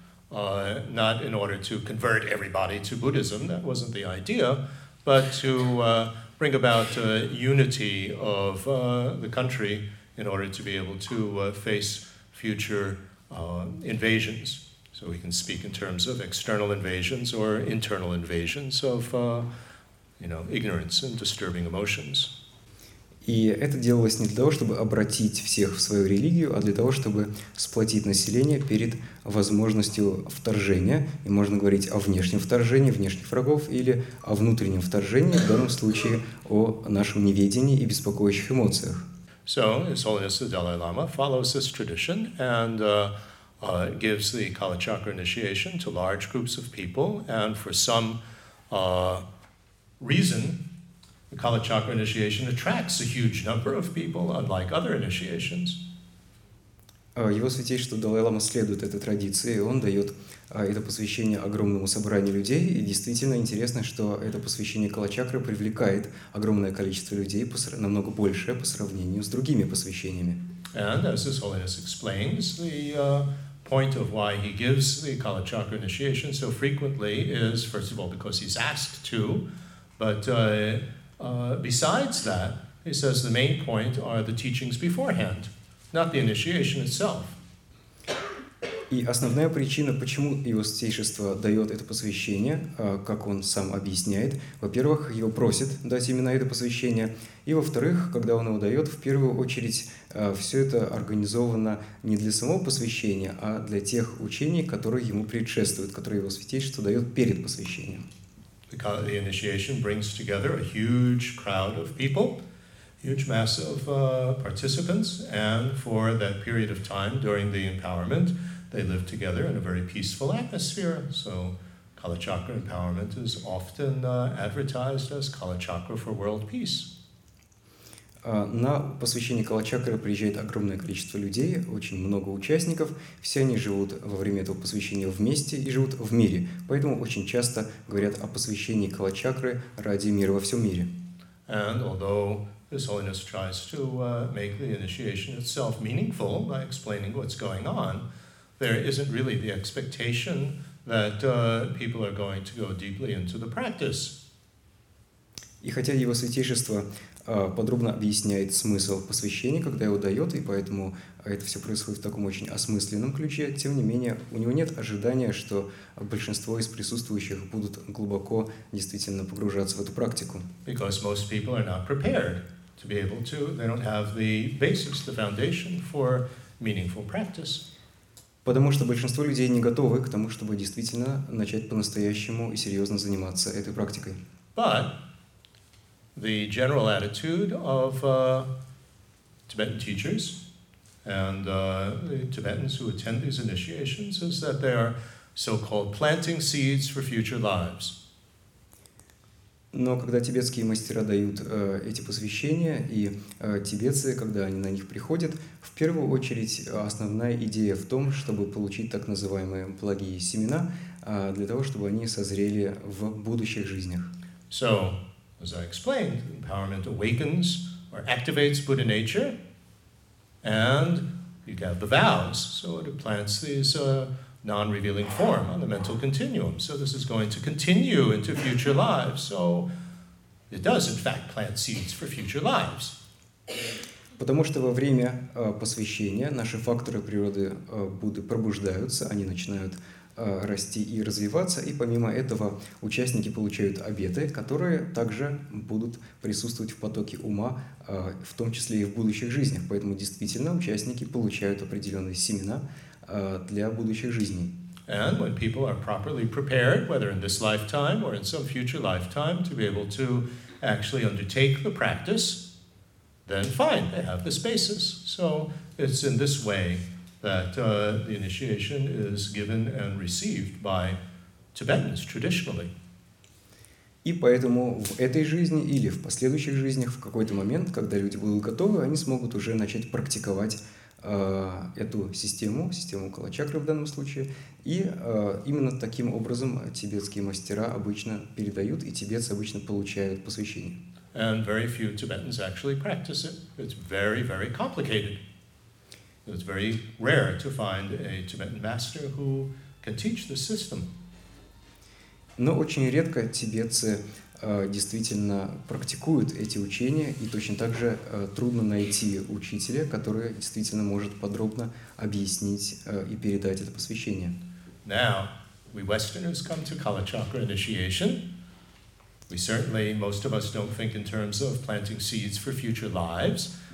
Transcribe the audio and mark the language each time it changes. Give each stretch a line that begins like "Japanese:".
English: Not in order to convert everybody to Buddhism, that wasn't the idea, but to bring about unity of the country in order to be able to face future invasions. So we can speak in terms of external invasions or internal invasions of, you know, ignorance and disturbing emotions.
Russian: И это делалось не для того, чтобы обратить всех в свою религию, а для того, чтобы сплотить население перед возможностью вторжения. И можно говорить о внешнем вторжении, внешних врагов, или о внутреннем вторжении, в данном случае о нашем неведении и беспокоящих эмоциях.
English: So His Holiness the Dalai Lama follows this tradition and gives the Kala Chakra initiation to large groups of people. And for some reason, the Kala Chakra initiation attracts a huge number of people, unlike other initiations.
Russian: Его святейшество Далай Лама следует этой традиции, и он дает это посвящение огромному собранию людей. И действительно интересно, что это посвящение Кала Чакры привлекает огромное количество людей, намного большее по сравнению с другими посвящениями.
English: And as His Holiness explains, the point of why he gives the Kala Chakra initiation so frequently is, first of all, because he's asked to, but besides that, he says the main point are the teachings beforehand. Not the initiation itself.
Russian: И основная причина, почему его святейшество дает это посвящение, как он сам объясняет, во-первых, его просят дать именно это посвящение, и во-вторых, когда он его дает, в первую очередь, все это организовано не для самого посвящения, а для тех учений, которые ему предшествуют, которые его святейшество дает перед посвящением.
English: Because the initiation brings together a huge crowd of people. Huge mass of participants, and for that period of time during the empowerment, they live together in a very peaceful atmosphere. So Kala Chakra empowerment is often advertised as Kala Chakra for world peace.
Russian: На посвящение Кала Чакры приезжает огромное количество людей, очень много участников. Все они живут во время этого посвящения вместе и живут в мире. Поэтому очень часто говорят о посвящении Кала Чакры ради мира во всем мире.
English: And although His Holiness tries to make the initiation itself meaningful by explaining what's going on, there isn't really the expectation that people are going to go deeply into the practice.
Russian: И хотя Его Святейшество подробно объясняет смысл посвящения, когда его дает, и поэтому это все происходит в таком очень осмысленном ключе, тем не менее, у него нет ожидания, что большинство из присутствующих будут глубоко действительно погружаться в эту практику.
English: Because most people are not prepared to be able to, they don't have the basics, the foundation for meaningful practice.
Russian: Потому что большинство людей не готовы к тому, чтобы действительно начать по-настоящему и серьезно заниматься этой практикой.
English: But the general attitude of Tibetan teachers and the Tibetans who attend these initiations is that they are so-called planting seeds for future lives.
Russian: Но когда тибетские мастера дают эти посвящения, и тибетцы, когда они на них приходят, в первую очередь основная идея в том, чтобы получить так называемые благие семена, для того, чтобы они созрели в будущих жизнях.
English: So, as I explained, empowerment awakens or activates Buddha nature, and you have the vows, so it plants these non-revealing form on the mental continuum. So this is going to continue into future lives. So it does, in fact, plant seeds for future lives.
Russian: Потому что во время посвящения наши факторы природы Будды пробуждаются, они начинают расти и развиваться, и помимо этого участники получают обеты, которые также будут присутствовать в потоке ума, в том числе и в будущих жизнях. Поэтому действительно участники получают определенные семена для будущих жизней.
English: And when people are properly prepared, whether in this lifetime or in some future lifetime, to be able to actually undertake the practice, then fine, they have this basis. So it's in this way that the initiation is given and received by Tibetans traditionally.
Russian: И поэтому в этой жизни или в последующих жизнях в какой-то момент, когда люди будут готовы, они смогут уже начать практиковать эту систему, систему калачакры в данном случае, и именно таким образом тибетские мастера обычно передают, и тибетцы обычно получают посвящение.
English: And very few Tibetans actually practice it. It's very, very complicated. It's very rare to find a Tibetan master who can teach the system.
Russian: Но очень редко тибетцы действительно практикуют эти учения, и точно так же трудно найти учителя, который действительно может подробно объяснить и передать это посвящение.
English: Now, we Westerners come to Kalachakra initiation. We certainly, most of us don't think in terms of planting seeds for future lives.